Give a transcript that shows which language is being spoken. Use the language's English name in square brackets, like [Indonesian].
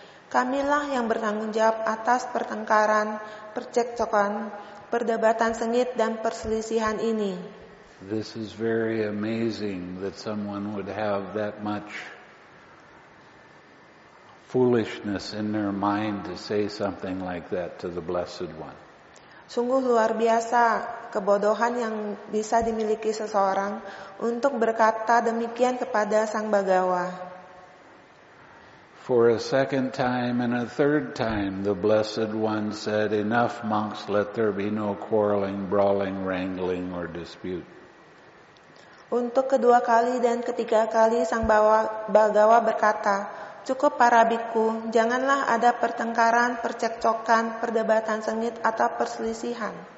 [Indonesian] Kamilah yang bertanggung jawab atas pertengkaran, percekcokan, perdebatan sengit dan perselisihan ini." [English] This is very amazing that someone would have that much foolishness in their mind to say something like that to the Blessed One. [Indonesian] Sungguh luar biasa kebodohan yang bisa dimiliki seseorang untuk berkata demikian kepada Sang Bhagawa. [English] For a second time and a third time, the Blessed One said, "Enough monks, let there be no quarreling, brawling, wrangling, or dispute." [Indonesian] Untuk kedua kali dan ketiga kali, Sang Bhagawa berkata, "Cukup para bhikkhu, janganlah ada pertengkaran, percekcokan, perdebatan sengit atau perselisihan."